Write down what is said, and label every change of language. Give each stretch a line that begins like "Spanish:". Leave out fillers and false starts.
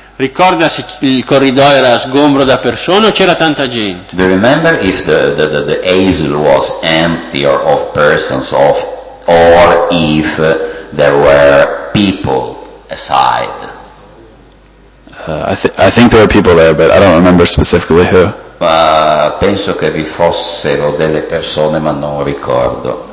Italian: Ricorda se il corridoio era sgombro da persone o c'era tanta gente?
English: Do you remember if the hazel was empty or of persons or if there were people aside? I think there were people there, but I don't remember specifically who.
Italian: Penso che vi fossero delle persone, ma non ricordo.